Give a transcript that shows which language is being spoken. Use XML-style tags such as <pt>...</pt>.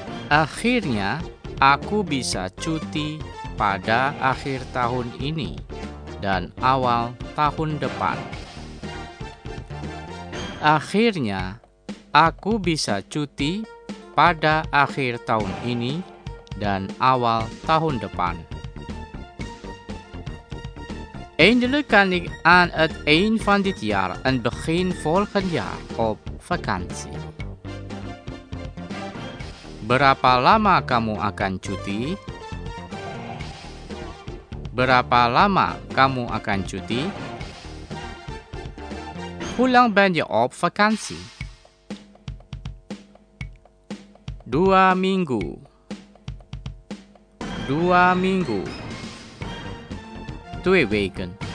<id>Akhirnya aku bisa cuti pada akhir tahun ini dan awal tahun depan. Akhirnya, aku bisa cuti pada akhir tahun ini dan awal tahun depan.</id> <nl>Eindelijk kan ik aan het eind van dit jaar en begin volgend jaar op vakantie.</nl> <id>Berapa lama kamu akan cuti? Berapa lama kamu akan cuti?</id> <nl>Hoe lang ben je op vakantie?</nl> <id>2 minggu. 2 minggu.</id> <nl>2 weken.</nl>